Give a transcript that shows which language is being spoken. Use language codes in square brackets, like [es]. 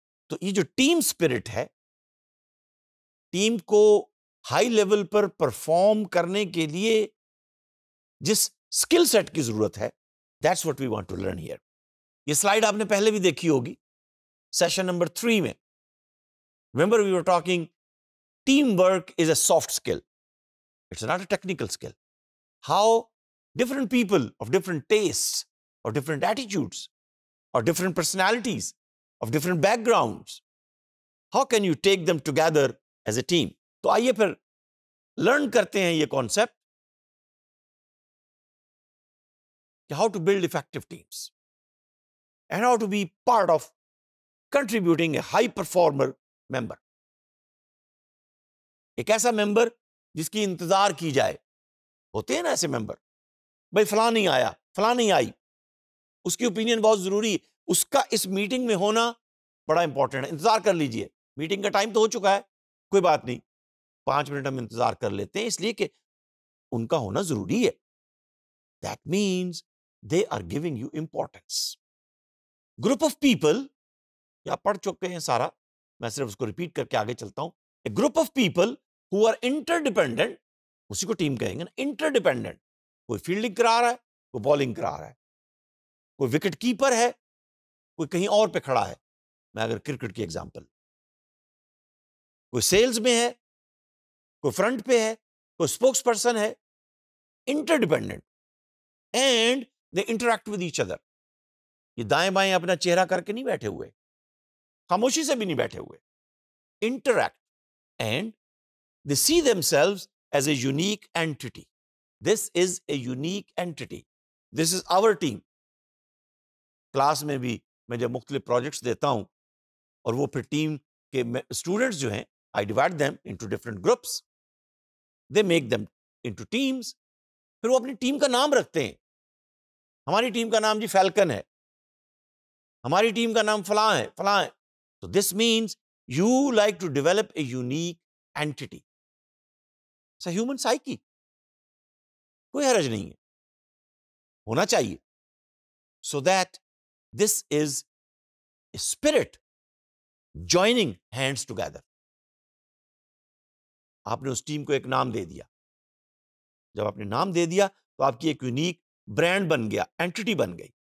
[ur] تو یہ جو ٹیم اسپرٹ ہے, ٹیم کو ہائی لیول پر پرفارم کرنے کے لیے جس اسکل سیٹ کی ضرورت ہے, [en] That's what we want to learn here. [ur] یہ سلائیڈ آپ نے پہلے بھی دیکھی ہوگی سیشن نمبر 3 میں. [en] Remember we were talking team work is a soft skill, it's not a technical skill. How different people of different tastes or different attitudes or different personalities of different backgrounds, how can you take them together as a team? [ur] To aaiye phir learn karte hain ye concept ki [en] how to build effective teams and how to be part of contributing a high performer member. [ur] Ek aisa member jiski intezar ki jaye, hote hain na aise member, بھائی فلاں نہیں آیا, فلاں نہیں آئی, اس کی opinion بہت ضروری ہے, اس کا اس میٹنگ میں ہونا بڑا امپورٹنٹ ہے, انتظار کر لیجئے, میٹنگ کا ٹائم تو ہو چکا ہے, کوئی بات نہیں, 5 منٹ ہم انتظار کر لیتے ہیں, اس لیے کہ ان کا ہونا ضروری ہے. [en] That means they are giving you importance. [ur] Group of people, یا پڑھ چکے ہیں سارا, میں صرف اس کو ریپیٹ کر کے آگے چلتا ہوں, [en] a group of people who are interdependent, [ur] اسی کو ٹیم کہیں گے نا, انٹر ڈیپینڈنٹ, کوئی فیلڈنگ کرا رہا ہے, کوئی بالنگ کرا رہا ہے, کوئی وکٹ کیپر ہے, کوئی کہیں اور پہ کھڑا ہے, میں اگر کرکٹ کی ایگزامپل, کوئی سیلز میں ہے, کوئی فرنٹ پہ ہے, کوئی اسپوکس پرسن ہے, inter dependent, [en] And they interact with each other. [ur] یہ دائیں بائیں اپنا چہرہ کر کے نہیں بیٹھے ہوئے, خاموشی سے بھی نہیں بیٹھے ہوئے, interact, [en] And they see themselves as a unique entity. This is a unique entity. This is our team. [ur] Class میں بھی میں جب مختلف projects دیتا ہوں اور وہ پھر team کے students جو ہیں, [en] I divide them into different groups. They make them into teams. [ur] پھر وہ اپنی team کا نام رکھتے ہیں. ہماری team کا نام جی فیلکن ہے, ہماری team کا نام فلاں ہے, فلاں ہے. [en] So this means you like to develop a unique entity. It's a human psyche. [ur] کوئی حرج نہیں ہے, ہونا چاہیے. [en] So that this is spirit joining hands together. [ur] آپ نے اس ٹیم کو ایک نام دے دیا. جب آپ نے نام دے دیا تو آپ کی ایک یونیک برانڈ بن گیا, اینٹیٹی بن گئی.